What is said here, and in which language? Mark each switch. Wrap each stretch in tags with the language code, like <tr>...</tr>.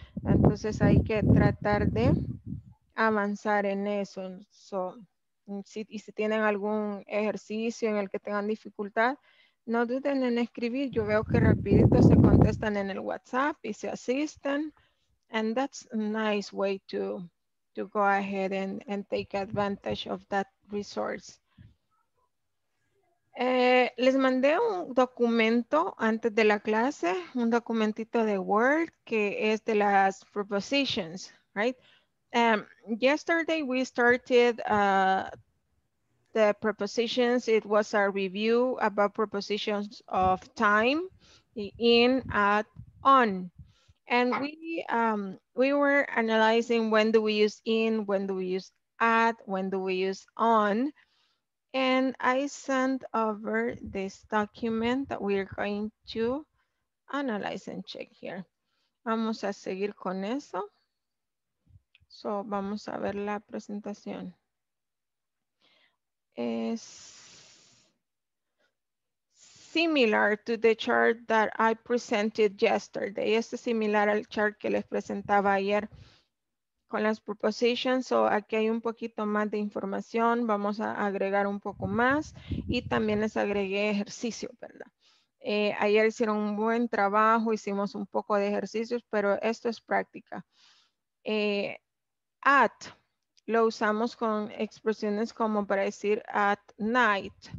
<es>Entonces hay que tratar de avanzar en eso. Si tienen algún ejercicio en el que tengan dificultad, no duden en escribir. Yo veo que rapidito se contestan en el WhatsApp y se asisten.</es> <en>And that's a nice way to go ahead and take advantage of that resource.</en> <es>Les mandé un documento antes de la clase, un documentito de Word que es de las prepositions,</es> <en>right? Yesterday we started the prepositions. It was a review about prepositions of time, in, at, on. And we were analyzing when do we use in, when do we use at, when do we use on. And I sent over this document that we're going to analyze and check here.</en> <es>Vamos a seguir con eso.</es> <en>So</en> <es>vamos a ver la presentación. Es</es> <en>similar to the chart that I presented yesterday.</en> <es>Es similar al chart que les presentaba ayer con las prepositions. So aquí hay un poquito más de información. Vamos a agregar un poco más. Y también les agregué ejercicio, ¿verdad? Ayer hicieron un buen trabajo. Hicimos un poco de ejercicios, pero esto es práctica. At lo usamos con expresiones como para decir at night.</es>